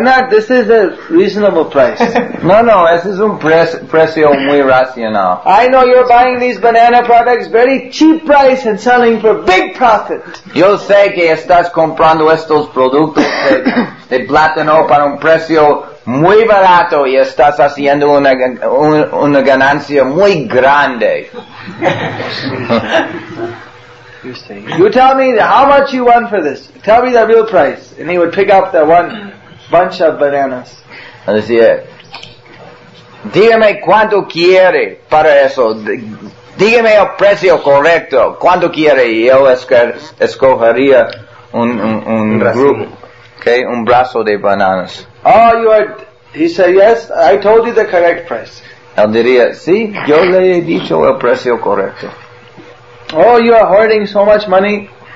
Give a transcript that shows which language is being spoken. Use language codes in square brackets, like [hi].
[en] This is a reasonable price. No, this is [es] un precio muy racional. [en] I know you're buying these banana products very cheap price and selling for big profit. [es] Yo sé que estás comprando estos productos de plátano para un precio muy barato y estás haciendo una ganancia muy grande. [en] You tell me how much you want for this. Tell me the real price. And he would pick up that one bunch of bananas. And he said, [es] dígame cuánto quiere para eso. Dígame el precio correcto. Cuánto quiere. Y yo escogería un grupo. Okay? Un brazo de bananas. [en] Oh, you are... He said, yes, I told you the correct price. [es] Él diría, sí, yo le he dicho el precio correcto. [en] Oh, you are hoarding so much money.